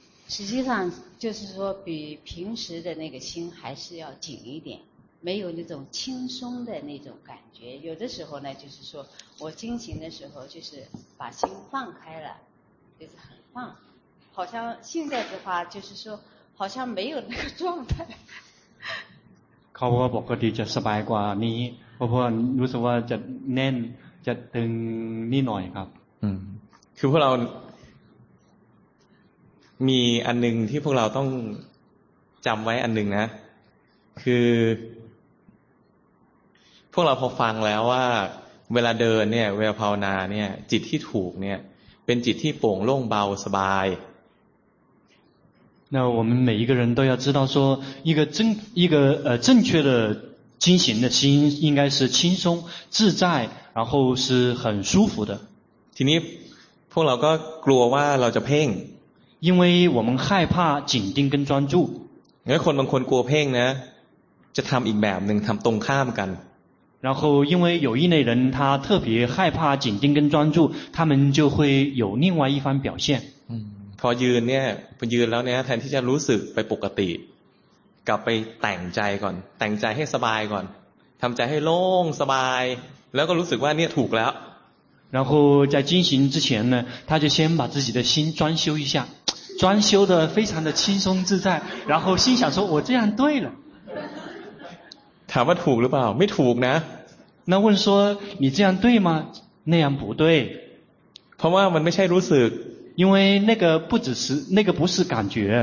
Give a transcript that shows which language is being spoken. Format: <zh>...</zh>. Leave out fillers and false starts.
<zh>实际上就是说比平时的那个心还是要紧一点，没有那种轻松的那种感觉。有的时候呢，就是说我精行的时候就是把心放开了，就是很放，好像现在的话就是说好像没有那个状态。</zh> <th>เขาว่าปกติจะสบายกว่านี้เพราะว่ารู้สึกว่าจะแน่นจะตึงนี่หน่อยครับ คือพวกเรามีอันนึงที่พวกเราต้องจำไว้อันนึงนะคือพวกเราพอฟังแล้วว่าเวลาเดินเนี่ยเวลาภาวนาเนี่ยจิตที่ถูกเนี่ยเป็นจิตที่โปร่งโล่งเบาสบาย</th> <zh>那我们每一个人都要知道说一个正确的精行的心应该是轻松自在然后是很舒服的。</zh> <th>ทีนี้พวกเราก็กลัวว่าเราจะเพ่ง</th> <zh>因为我们害怕紧盯跟专注。</zh> <th>แล้วคนบางคนกลัวเพ่งนะจะทำอีกแบบหนึ่งทำตรงข้ามกัน</th> <zh>然后因为有一类人他特别害怕紧盯跟专注他们就会有另外一番表现。</zh> <th>พอยืนเนี่ยพอยืนแล้วเนี่ยแทนที่จะรู้สึกไปปกติกลับไปแต่งใจก่อนแต่งใจให้สบายก่อนทำใจให้โล่งสบายแล้วก็รู้สึกว่าเนี่ยถูกแล้ว</th> <zh>然后在进行之前呢他就先把自己的心装修一下装修的非常的轻松自在然后心想说我这样对了</zh> <th>ถามว่าถูกหรือเปล่าไม่ถูกนะ</th> <zh>那问说你这样对吗那样不对</zh> <th>เพราะว่ามันไม่ใช่รู้สึก</th> <zh>因为那个不只是那个不是感觉</zh>